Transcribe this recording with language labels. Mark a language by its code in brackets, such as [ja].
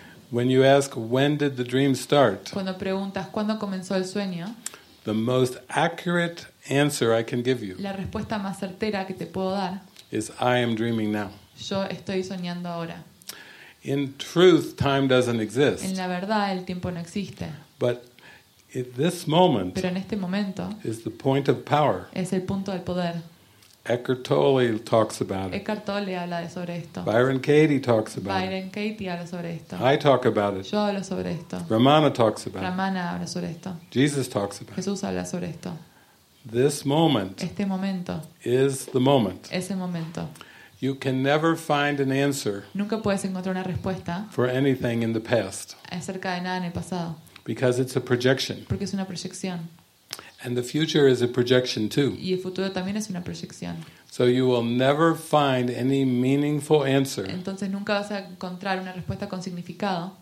[en] When you ask when did the dream start? [es] Cuando preguntas cuándo comenzó el sueño? [en] The most accurate answer I can give you. [es] La respuesta más certera que te puedo dar [en] is I am dreaming now. [es] Yo estoy soñando ahora. [en] In truth time doesn't exist. [es] En la verdad el tiempo no existe. [en] But at this moment [es] Pero en este momento [en] is the point of power. [es] Es el punto del poder. [en] Eckhart Tolle talks about it. [es] Eckhart Tolle habla sobre esto. [en] Byron Katie talks about it. [es] Byron Katie habla sobre esto. [en] I talk about it. [es] Yo hablo sobre esto. [en] Ramana talks about it. [es] Ramana habla sobre esto. [en] Jesus talks about it. [es] Jesús habla sobre esto. [en] This moment. [es] Este momento. [en] Is the moment. [es] Es el momento. [en] You can never find an answer. [es] Nunca puedes encontrar una respuesta. [en] For anything in the past. [es] Acerca de nada en el pasado. [en] Because it's a projection. [es] Porque es una proyección. [en] And the future is a projection too. [es] Y el futuro también es una proyección. [en] So you will never find any meaningful answer. [es] Entonces nunca vas a encontrar una respuesta con significado.